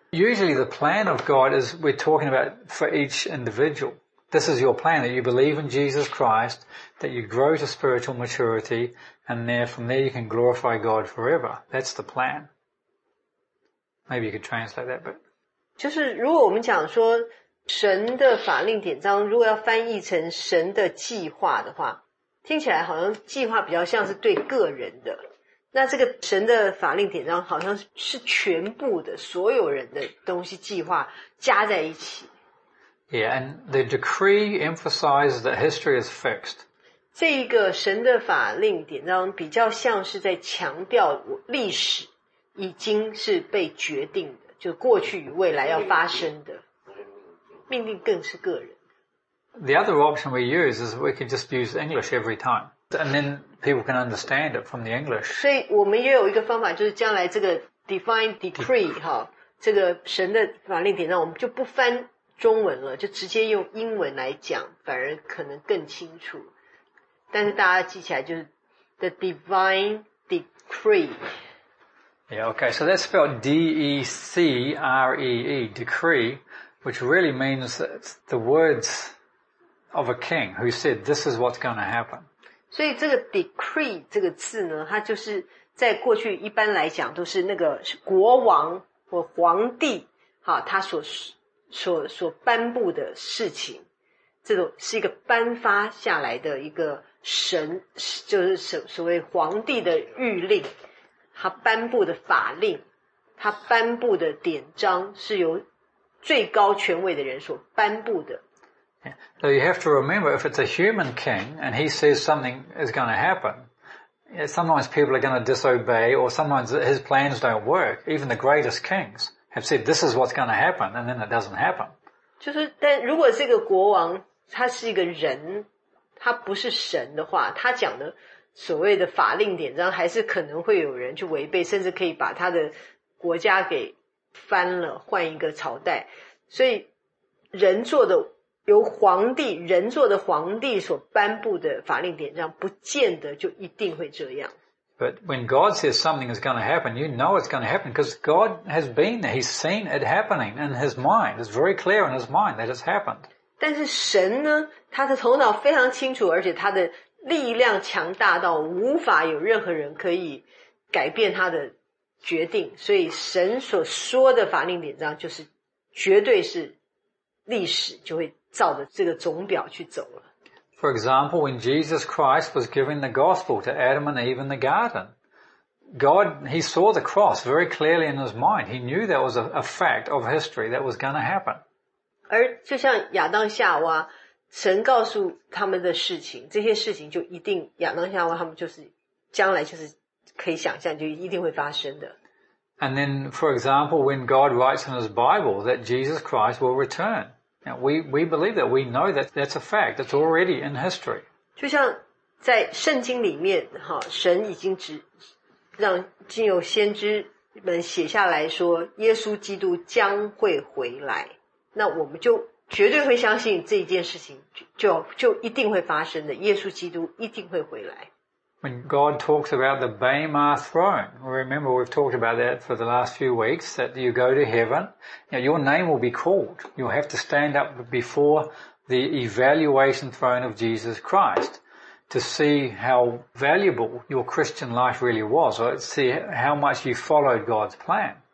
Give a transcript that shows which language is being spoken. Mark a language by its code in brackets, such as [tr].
[en] Usually the plan of God is we're talking about for each individual. This is your plan, that you believe in Jesus Christ, that you grow to spiritual maturity, and there from there you can glorify God forever. That's the plan. Maybe you could translate that, but... [zh] 就是如果我们讲说神的法令典章如果要翻译成神的计划的话，听起来好像计划比较像是对个人的，那这个神的法令典章好像是全部的所有人的东西计划加在一起。 [en] Yeah, and the decree emphasizes that history is fixed. [zh] 这一个神的法令典章比较像是在强调历史已经是被决定的，就过去与未来要发生的命令更是个人。 [en] The other option we use is we can just use English every time, and then people can understand it from the English. [zh] 所以我们也有一个方法，就是将来这个divine decree, 哈，这个神的法令典章，我们就不翻中文了，就直接用英文来讲，反而可能更清楚。但是大家记起来就是 the divine decree。 [en] Yeah, okay, so that's spelled D-E-C-R-E-E, decree, which really means the words of a king who said, this is what's going to happen. [zh] 所以这个 decree 这个字呢，它就是在过去一般来讲都是那个国王或皇帝，好，他所颁布的事情，这种是一个颁发下来的一个神，就是所谓皇帝的谕令。他颁布的法令，他颁布的典章是由最高权位的人所颁布的。 [en] So you have to remember, if it's a human king and he says something is going to happen, sometimes people are going to disobey, or sometimes his plans don't work. Even the greatest kings have said, "This is what's going to happen," and then it doesn't happen. [zh] 就是，但如果这个国王他是一个人，他不是神的话，他讲的。所谓的法令典章还是可能会有人去违背，甚至可以把他的国家给翻了，换一个朝代。所以人做的，由皇帝，人做的皇帝所颁布的法令典章不见得就一定会这样。 [en] But when God says something is going to happen, you know it's going to happen because God has been there. He's seen it happening in his mind. It's very clear in his mind that it's happened. [zh] 但是神呢，他的头脑非常清楚，而且他的力量强大到无法有任何人可以改变他的决定，所以神所说的法令典章就是绝对是历史，就会照着这个总表去走了。 [en] For example, when Jesus Christ was giving the gospel to Adam and Eve in the garden, God, he saw the cross very clearly in his mind. He knew that was a fact of history that was going to happen. [zh] 而就像亚当夏娃，神告诉他们的事情，这些事情就一定亚当夏娃他们就是将来就是可以想象就一定会发生的。 [en] And then, for example, when God writes in his Bible that Jesus Christ will return. Now, we believe that. We know that that's a fact. That's already in history. [zh] 就像在圣经里面，神已经指让经有先知们写下来说耶稣基督将会回来。那我们就绝对会相信这件事情 就一定会发生的，耶稣基督一定会回来。 [en] When God talks about the Bema throne, remember we've talked about that for the last few weeks, that you go to heaven, now your name will be called. You'll have to stand up before the evaluation throne of Jesus Christ to see how valuable your Christian life really was, or see how much you followed God's plan.